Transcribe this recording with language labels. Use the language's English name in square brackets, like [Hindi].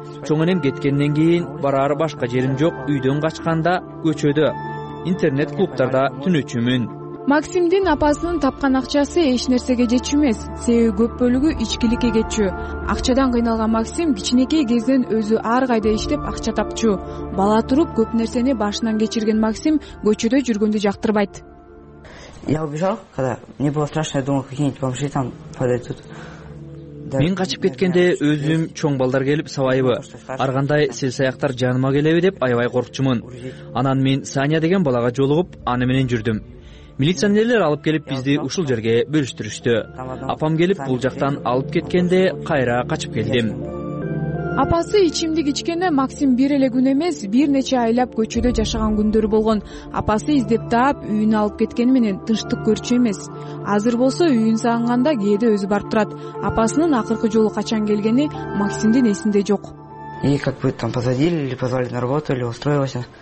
[Kyrgyz] Чоң энем кеткенден кийин бараары башка жерим жок, үйдөн качканда көчөдө, интернет клубтарда түнөчүмүн. Максимдин апасынын тапкан акчасы эч нерсеге жетчү эмес, себеби көп бөлүгү ичкиликке кетчү. Акчадан кыйналган Максим кичинекей кезден өзү ар кайда иштеп акча тапчу. Бала туруп көп нерсени башынан кечирген Максим көчөдө жүргөндү жактырбайт. [Russian] Я убежал, когда мне было страшно, я думал, какие-нибудь бомжи там подойдут. [Kyrgyz] Мен качып кеткенде өзүм чоң балдар келип сабайбы, ар кандай сел саяктар жаныма келеби деп аябай коркчумун. Анан мен Саня деген балага жолугуп, аны менен жүрдүм. Милиционерлер алып келип бизди ушул жерге бөлүштүрүштү. Апам келип бул жактан алып кеткенде кайра качып келдим. Апасы ичимдик ичкенде Максим бир эле күн эмес, бир нече айлап көчөдө жашаган күндөр болгон. Апасы издеп таап, үйүнө алып кеткени менен тынчтык көрчү эмес. Азыр болсо үйүн сагынганда кээде өзү барып турат. Апасынын акыркы жолу качан келгени Максимдин эсинде жок. [Russian] И как бы там позвонили или позвали на работу или устроилась.